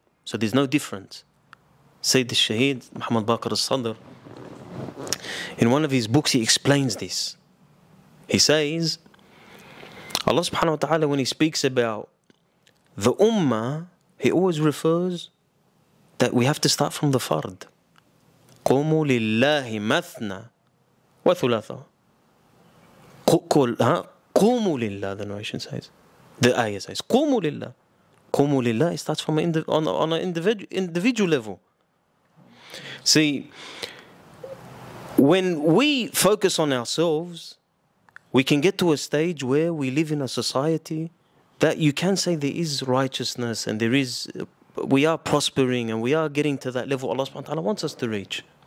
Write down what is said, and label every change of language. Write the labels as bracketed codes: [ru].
[en] So there's no difference. Sayyid al-Shaheed, Muhammad Baqir al-Sadr, in one of his books, he explains this. He says, Allah subhanahu wa ta'ala, when He speaks about the ummah, He always refers that we have to start from the fard. [ar] قُمُوا لِلَّهِ مَثْنَا وَثُلَاثَ قُمُوا لِلَّهِ, [en] the narration says, the ayah says, [ar] قُمُوا لِلَّهِ. [en] قُمُوا لِلَّهِ starts from an individual level. See, when we focus on ourselves, we can get to a stage where we live in a society that you can say there is righteousness and there is, we are prospering and we are getting to that level Allah subhanahu wa ta'ala wants us to reach.